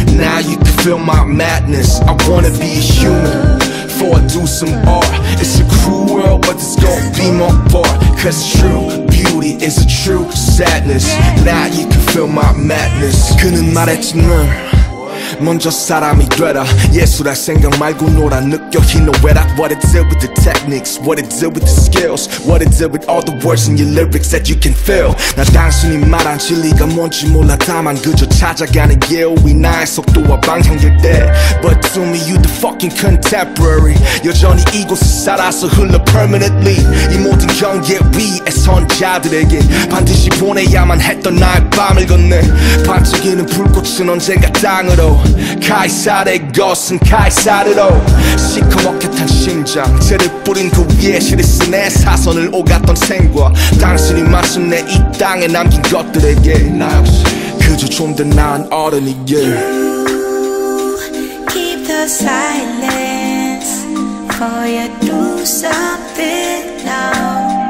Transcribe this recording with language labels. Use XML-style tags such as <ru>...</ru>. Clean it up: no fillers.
<en>Now you can feel my madness. I wanna be a human, for do some art. It's a cruel world, but this gon' be my part. Cause true beauty is a true sadness. Now you can feel my madness.</en> <ko>그는 말했지만 먼저 사람이 되라. 예술할 생각 말고 놀아. 느껴</ko> <en>he know where that. What it did with the techniques, what it did with the skills, what it did with all the words in your lyrics that you can feel.</en> <ko>나 당신이 말한 진리가 뭔지 몰라. 다만 그저 찾아가는 길 위 나의 속도와 방향일 때.</ko> <en>But to me you the fucking contemporary.</en> <ko>여전히 이곳에 살아서 흘러 permanently. 이 모든 경계 위에 선자들에게 반드시 보내야만 했던 나의 밤을 건네. 반짝이는 불꽃은 언젠가 땅으로. 카이사르의 것은 카이사르로. 시커멓게 탄 심장 죄를 뿌린 그 위에 실을 쓰네. 사선을 오갔던 생과 당신이 맞춘 내 이 땅에 남긴 것들에게 나 역시 그저 좀 더 나은 어른이게.</ko> <en>You keep the silence, for you do something now.</en>